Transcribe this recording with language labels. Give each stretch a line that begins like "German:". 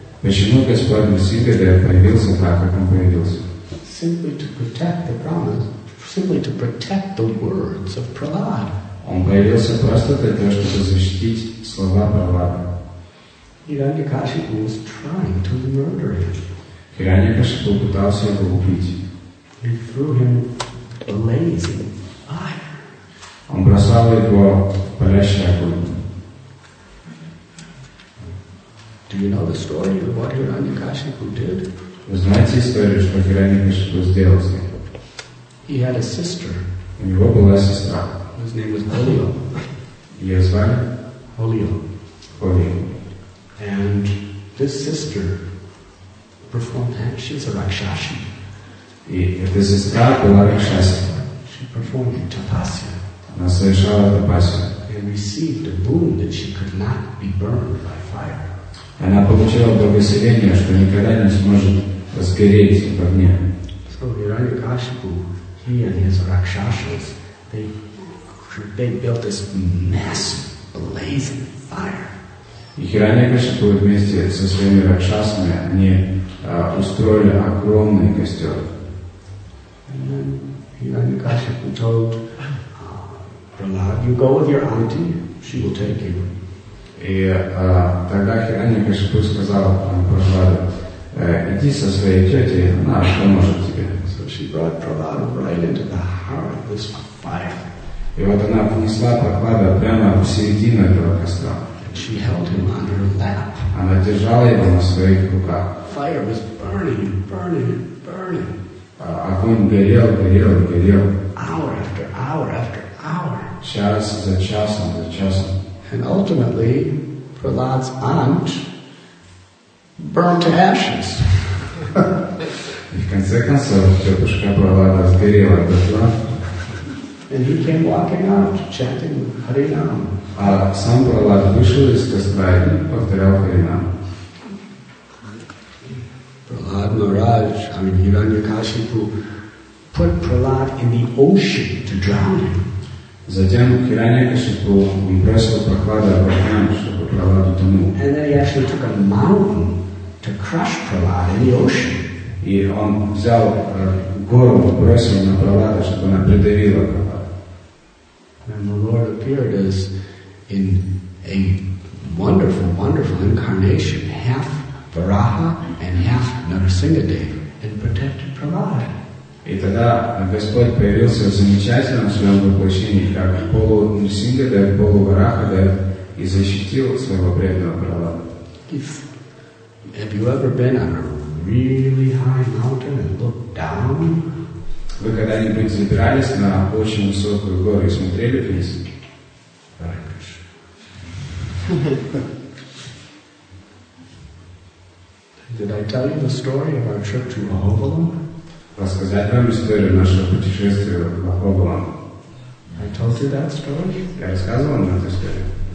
Russian: Почему Господь Нарасимхадев появился так, как он появился?
English: Simply to protect the promise, simply to protect the words of Prahlad.
Russian: Он появился просто для того, чтобы защитить слова Прахлада.
English: Hiranyakashipu was trying to murder him.
Russian: Hiranyakashipu пытался его убить.
English: He threw him a blazing fire.
Russian: Он бросал его в палящий огонь.
English: Do you know the story of what Hiranyakashipu did?
Russian: Вы знаете историю, что Hiranyakashipu сделал с ним?
English: He had a sister.
Russian: У него была сестра.
English: His name was Holio.
Russian: Ее звали?
English: Holio.
Russian: Holio.
English: And this sister performed, she's a Rakshasi.
Russian: Эта сестра была Ракшаси.
English: She performed tapasya.
Russian: Она совершала тапасию.
English: And received a boon that she could not be burned by fire.
Russian: Она получила благословение, что никогда не сможет сгореть в огне.
English: So Hiranyakashipu, he and his Rakshasas, they built this massive blazing fire.
Russian: И Хираньякашипу вместе со своими ракшасами они устроили огромный костер.
English: And then Hiranyakashipu told Prahlad, "You go with your auntie; she will take you."
Russian: И тогда Хираньякашипу сказал Прахладу, иди со своей тетей, она поможет тебе.
English: So she brought Prahlad right into the heart of this fire.
Russian: И вот она понесла Прахлада прямо в середину этого костра.
English: She held him on her lap.
Russian: Она держала его на своих руках.
English: Fire was burning and burning and burning.
Russian: Огонь горел, горел, горел.
English: Hour after hour after hour.
Russian: Час за часом, за часом.
English: And ultimately, Prahlad's aunt burned to ashes.
Russian: И в конце концов, тетушка Прахлада сгорела до тла.
English: And he came walking out, chanting Harinam.
Russian: А сам Прахлад вышел из костра и повторял Харинам.
English: Прахлад Махарадж, I mean Hiranyakashipu, put Prahlad in the ocean to drown him.
Russian: Затем Hiranyakashipu бросил Прахлада в океан, чтобы Прахлад утонул.
English: And then he actually took a mountain to crush Prahlad in the ocean.
Russian: И он взял гору, бросил на Прахлада, чтобы она придавила Прахлада.
English: And the Lord appeared as in a wonderful, wonderful incarnation, half Varaha and half Narasimhadev, and protected Prahlad.
Russian: И тогда Господь появился в замечательном своем воплощении, как полу-Нарасимхадев, полу-Варахадев, и защитил своего преданного Прахлада.
English: Have you ever been on a really high mountain and looked down?
Russian: Вы когда-нибудь забирались на очень высокую гору и смотрели вниз?
English: Did I tell you the story of our trip to Mahovalam?
Russian: Рассказать вам историю нашего путешествия в Mahovalam?
English: I told you that story?
Russian: Я рассказывал вам эту историю.